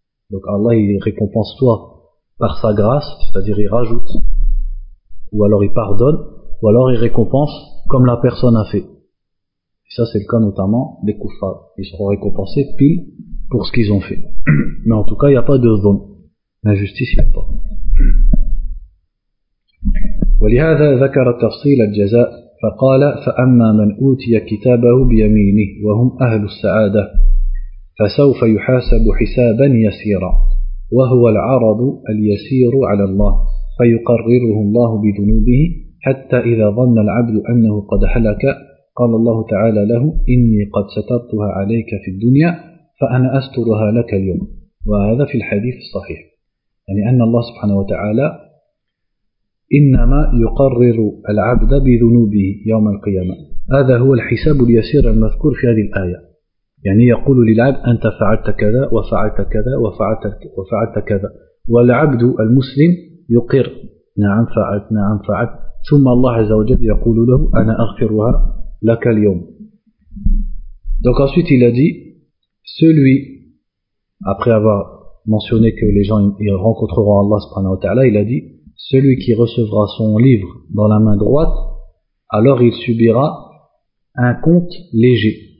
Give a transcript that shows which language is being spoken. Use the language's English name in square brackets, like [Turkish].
[French] Donc Allah il récompense soit par sa grâce, c'est-à-dire il rajoute, ou alors il pardonne, ou alors il récompense comme la personne a fait. Et ça c'est le cas notamment des koufars. Ils seront récompensés pile pour ce qu'ils ont fait. Mais en tout cas il n'y a pas de don. L'injustice il n'y a pas. [Arabic] ولهذا ذكر تفصيل الجزاء فقال فأما من أوتي كتابه بيمينه وهم أهل السعادة فسوف يحاسب حسابا يسيرا وهو العرض اليسير على الله فيقرره الله بذنوبه حتى إذا ظن العبد أنه قد هلك قال الله تعالى له إني قد سترتها عليك في الدنيا فأنا أسترها لك اليوم. وهذا في الحديث الصحيح. يعني أن الله سبحانه وتعالى إنما يقرر العبد بذنوبه يوم القيامة هذا هو الحساب اليسير المذكور في هذه الآية. يعني يقول للعبد أنت فعلت كذا وفعلت كذا وفعلت كذا، والعبد المسلم يقر نعم فعلت نعم فعلت. ثم الله عز وجل يقول له أنا أغفرها لك اليوم. [French] Donc ensuite il a dit, celui, après avoir mentionné que les gens ils rencontreront Allah subhanahu wa ta'ala, il a dit, celui qui recevra son livre dans la main droite, alors il subira un compte léger.